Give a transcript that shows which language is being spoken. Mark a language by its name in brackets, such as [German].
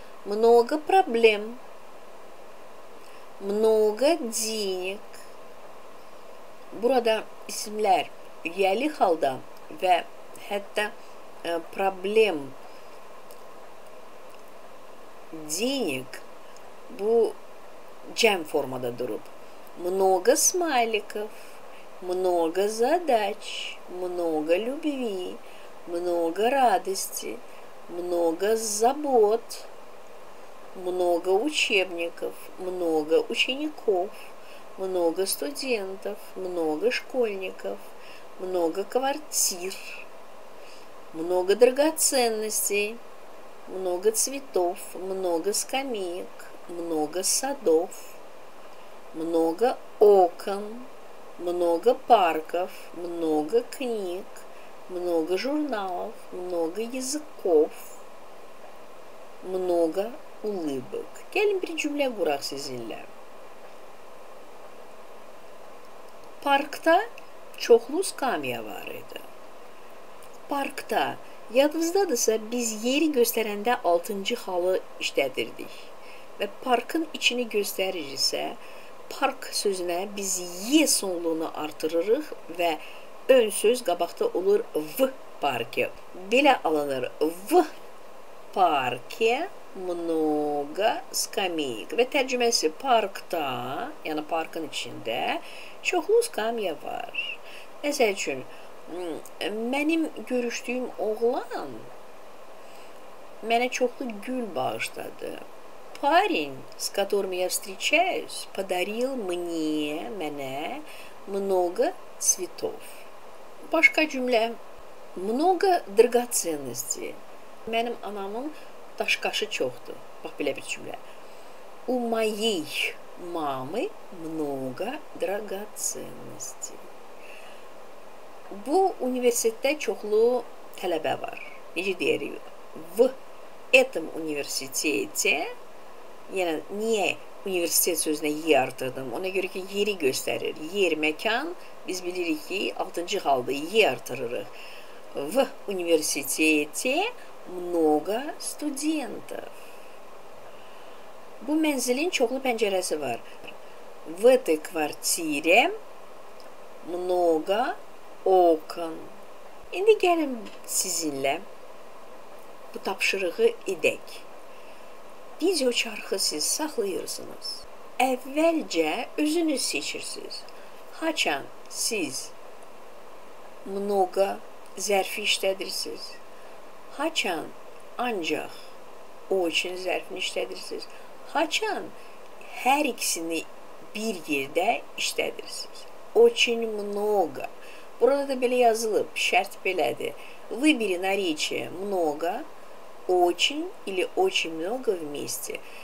[Russian] Много проблем. Много денег. [Azerbaijani] Burada isimlər yəli halda və hətta problem денег bu cəm formada durub. [Russian] Много смайликов, много задач, много любви, много радости, много забот, много учебников, много учеников, много студентов, много школьников, много квартир, много драгоценностей, много цветов, много скамеек, много садов, много окон, много парков, много книг, много журналов, много языков, много улыбок. [Azerbaijani] Gəlin bir cümlə quraq sizinlə. Parkda çoxlu skamya var idi. Parkda, yadınızdadırsa, biz yeri göstərəndə 6-cı halı işlədirdik. Və parkın içini göstəririksə, park sözünə biz y sonluğunu artırırıq və ön söz qabaqda olur [Russian] v parki. [Azerbaijani] Belə alınır [Russian] v parki много скамеек. [Azerbaijani] Və tərcüməsi parkda, yəni parkın içində çoxlu skamya var. Məsəl üçün, mənim görüşdüyüm oğlan mənə çoxlu gül bağışladı. [Russian] Парень, с которым я встречаюсь, подарил мне, много цветов. [Azerbaijani] Başqa cümlə. [Russian] Много драгоценностей. [Azerbaijani] Mənim anamın daşqaşı çoxdur. Bax, belə bir cümlə. [Russian] У моей мамы много драгоценностей. [Azerbaijani] Bu universitetdə çoxlu tələbə var. Necə deyirik? [Russian] В этом университете. [Azerbaijani] Yəni, niyə universitet sözünə y artırdım? Ona görə ki, yeri göstərir. Yer, məkan, biz bilirik ki, 6-cı halda y artırırıq. [Russian] В университете много студентов. [Azerbaijani] Bu mənzilin çoxlu pəncərəsi var. [Russian] В этой квартире много окон. [Azerbaijani] İndi gəlin sizinlə bu tapşırığı edək. video çarxı siz saxlayırsınız. Əvvəlcə özünü seçirsiniz. Haçan siz mnoga zərfi işlədirsiniz. Haçan ancaq o üçün zərfini işlədirsiniz. Haçan hər ikisini bir yerdə işlədirsiniz. [Russian] Очень много. [Azerbaijani] Burada da belə yazılıb, şərt belədir. [Russian] Выбери наречие много, очень или очень много вместе.